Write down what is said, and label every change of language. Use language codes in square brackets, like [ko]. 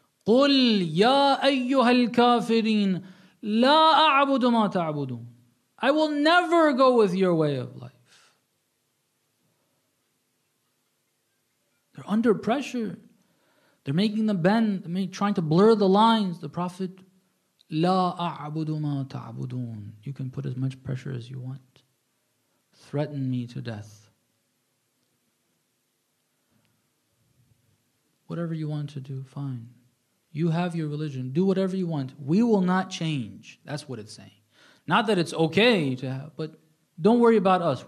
[ar] قُلْ يَا أَيُّهَا الْكَافِرِينَ لَا أَعْبُدُ مَا تَعْبُدُونَ. [en] I will never go with your way of life. They're under pressure. They're making the bend. They're trying to blur the lines. The Prophet, [ar] لَا أَعْبُدُ مَا تَعْبُدُونَ. [en] You can put as much pressure as you want. Threaten me to death. Whatever you want to do, fine. You have your religion. Do whatever you want. We will not change. That's what it's saying. Not that it's okay to have, but don't worry about us.